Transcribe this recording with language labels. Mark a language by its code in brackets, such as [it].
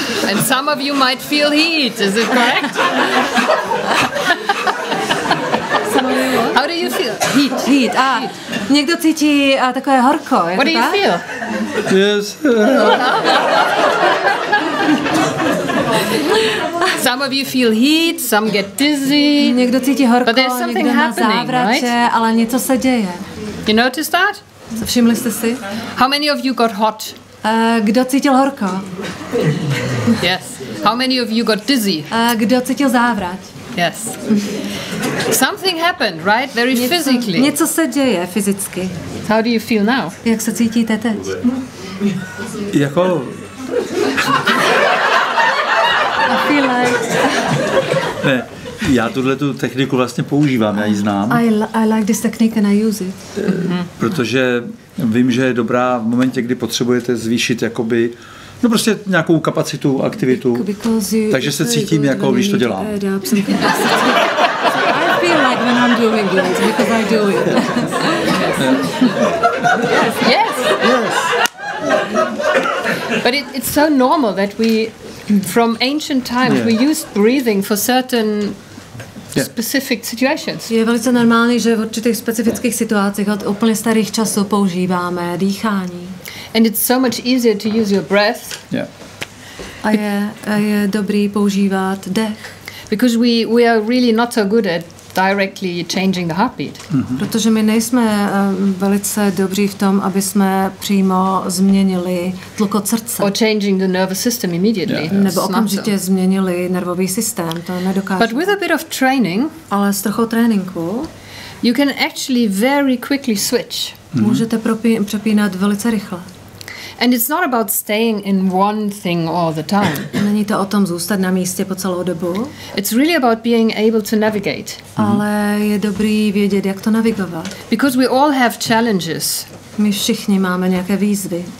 [en] And some of you might feel heat, is it correct? How do you feel? Heat. [cs] Ah, někdo cítí takové horko, je to tak? [en] What do you feel? Yes. Some of you feel heat, some get dizzy. [cs] Někdo cítí horko, [en] but there's something happening, [cs] závratě, right? Ale něco se děje. [en] You notice that? [cs] Všimli jste si? [en] How many of you got hot? [cs] Kdo cítil horko? [en] Yes. How many of you got dizzy? [cs] Kdo cítil závrat? [en] Yes. Something happened, right? Very physically. [cs] Něco se děje fyzicky. [en] How do you feel now? [cs] Jak se cítíte teď? Jako... [en] I feel like... [cs] Ne, já tuhle tu techniku vlastně používám, já ji znám. [en] I like this technique and I use it. [cs] Protože vím, že je dobrá v momentě, kdy potřebujete zvýšit jakoby... No prostě nějakou kapacitu, aktivitu. Takže se cítím jako, když to dělám. [en] I feel like when I'm doing it, because I do it. Yes. Yes. But it's so normal that we, from ancient times, we used breathing for certain specific situations. [cs] Je velice normální, že v určitých specifických situacích od úplně starých časů používáme dýchání. [en] And it's so much easier to use your breath. Yeah. [cs] A je dobrý používat dech. [en] Because we are really not so good at directly changing the heartbeat. Mm-hmm. [cs] Protože my nejsme velice dobří v tom, aby jsme přímo změnili tlukot srdce. [en] Or changing the nervous system immediately. Yeah, [cs] yes. Nebo okamžitě změnili nervový systém. To nedokážeme. [en] But with a bit of training, [cs] ale s trochou tréninku, [en] you can actually very quickly switch. Mm-hmm. [cs] Můžete přepínat velice rychle. [en] And it's not about staying in one thing all the time. [cs] Není to o tom zůstat na místě po celou dobu. [en] It's really about being able to navigate. Mm-hmm. [cs] Ale je dobrý vědět, jak to navigovat. [en] Because we all have challenges. [cs] My všichni máme nějaké výzvy.